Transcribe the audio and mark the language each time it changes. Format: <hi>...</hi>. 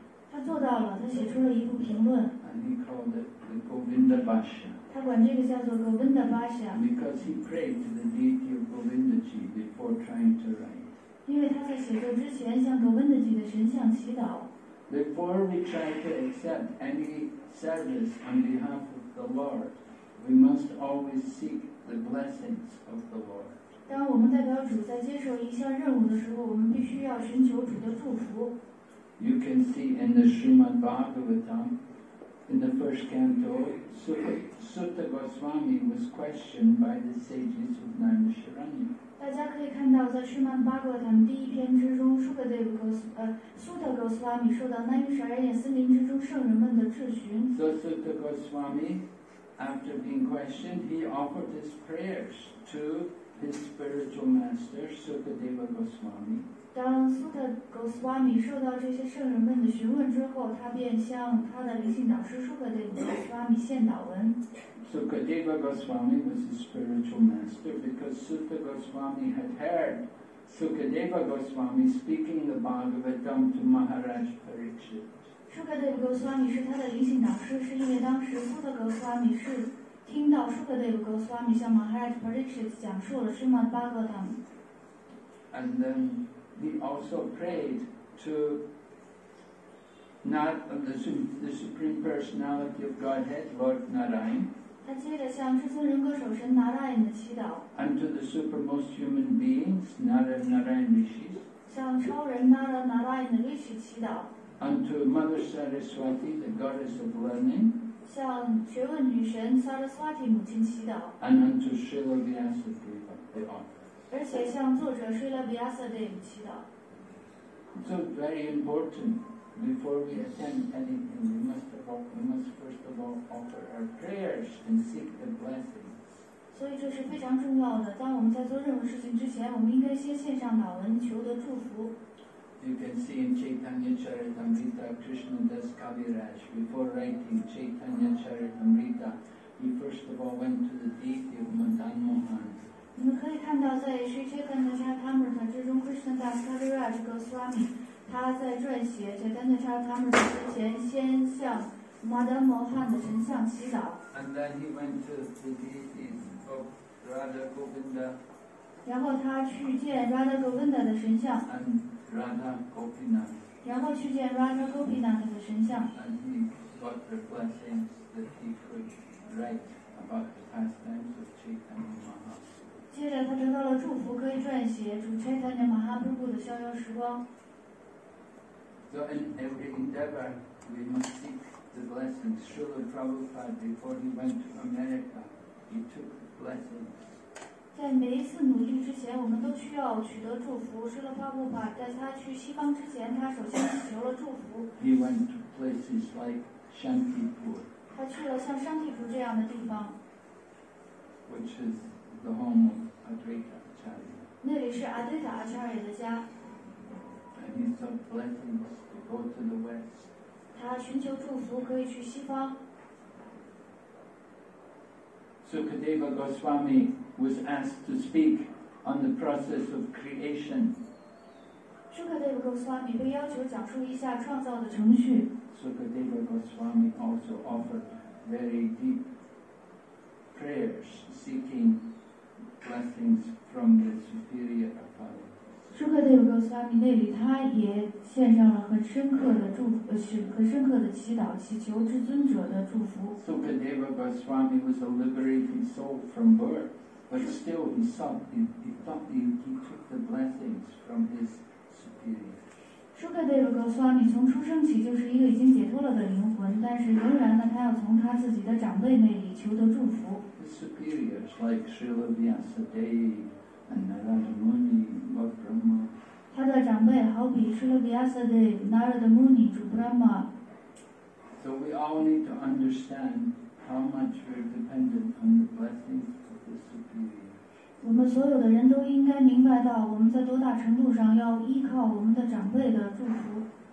<zh>他做到了，他写出了一部评论。</zh> <en>And he called it the Govinda Bhashya.</en> <zh>他管这个叫做 Govinda Bhashya.</zh> <en>Because he prayed to the deity of Govinda Ji before trying to write.</en> <zh>因为他在写作之前向 Govinda Ji 的神像祈祷。</zh> <en>Before we try to accept any service on behalf of the Lord, we must always seek the blessings of the Lord.</en> <zh>当我们代表主在接受一项任务的时候，我们必须要寻求主的祝福。</zh> <en>You can see in the Srimad Bhagavatam, in the first canto, Sutta Goswami was questioned by the sages of Naimisharanya.</en> <zh>大家可以看到，在《须曼巴格坦》第一篇之中，苏格德鲁格斯苏特格斯瓦米受到南玉舍尔眼森林之中圣人们的质询。</zh> <en>So Sutta Goswami, after being questioned, he offered his prayers to his spiritual master, Sukadeva Goswami.</en> <zh>当苏特格斯瓦米受到这些圣人们的询问之后，他便向他的灵性导师苏格德鲁格斯瓦米献祷文。</zh> <en>Sukadeva Goswami was his spiritual master because Sutta Goswami had heard Sukadeva Goswami speaking the Bhagavatam to Maharaj Parikshit.</en> <zh>Sukadeva Goswami 是他的灵性导师，是因为当时 Sutta Goswami 是听到 Sukadeva Goswami 向 Maharaj Parikshit 讲述了 Srimad Bhagavatam.</zh> <en>And then he also prayed to not of the Supreme Personality of Godhead, Lord Narayan.</en> <zh>他接着向至尊人格守神拿大眼的祈祷</zh> <en>and to the supermost human beings Narayan Narayan Rishi</en> <zh>向超人拿大拿大眼的力气祈祷</zh> <en>and to Mother Saraswati the goddess of learning</en> <zh>向学问女神 Saraswati 母亲祈祷</zh> <en>and unto Srila Vyasadeva the author</en> <zh>而且向作者 Srila Vyasadeva 祈祷</zh> <en>So very important before we attend anything we must first of all offer our prayers and seek the blessings.</en> <zh>所以这是非常重要的。当我们在做任何事情之前，我们应该先献上祷文，求得祝福。</zh> <en>You can see in Chaitanya Charitamrita, Krishna does Kaviraj. Before writing Chaitanya Charitamrita, he first of all went to the deity of Madan Mohan.</en> <zh>你们可以看到，在《Sri Chaitanya Charitamrita》之中 ，Krishna does Kaviraj Goswami. 他在撰写《Chaitanya Charitamrita》之前，先向 Madan Mohan 的神像祈祷。</zh> <en>And then he went to the deities of Radha Govinda.</en> <zh>然后他去见 Radha Govinda 的神像。</zh> <en>And Radha Gopinath.</en> <zh>然后去见 Radha Gopinath 的神像。</zh> <en>And he got the blessings that he could write about the pastimes of Chaitanya Mahaprabhu.</en> <zh>接着他得到了祝福，可以撰写主差团的马哈布布的逍遥时光。</zh> <en>So in every endeavor, we must seek the blessings. Srila Prabhupada, before he went to America, he took blessings.</en> <zh>在每一次努力之前，我们都需要取得祝福。 Srila Prabhupada在他去西方之前，他首先求了祝福。</zh> <en>He went to places like Shantipur.</en> <zh>他去了像山地图这样的地方。</zh> <en>Which is. The home of Advaita Acharya.</en> <zh>那里是 Advaita Acharya 的家。</zh> <en>And he sought blessings to go to the west.</en> <zh>他寻求祝福可以去西方。</zh> <en>Sukadeva Goswami was asked to speak on the process of creation.</en> <zh>Sukadeva Goswami 被要求讲述一下创造的程序。</zh> <en>Sukadeva Goswami also offered very deep prayers seeking. Blessings from the superior authorities.</en> <zh>舒克德有个苏阿米那里，他也献上了很深刻的祝福，很深刻的祈祷，祈求至尊者的祝福。</zh> <en>Sukadeva Goswami was a liberated soul from birth, but still he thought he took the blessings from his superior.</en> <zh>舒克德有个苏阿米从出生起就是一个已经解脱了的灵魂，但是仍然呢，他要从他自己的长辈那里求得祝福。</zh> <en>Superiors like Srila Vyasadevi and Narada Muni Lord Brahma.</en> <zh>他的长辈好比 Srila Vyasadevi, Narada Muni, 主 Brahma.</zh> <en>So we all need to understand how much we're dependent on the blessings of the superiors.</en> <zh>我们所有的人都应该明白到我们在多大程度上要依靠我们的长辈的祝福。</zh>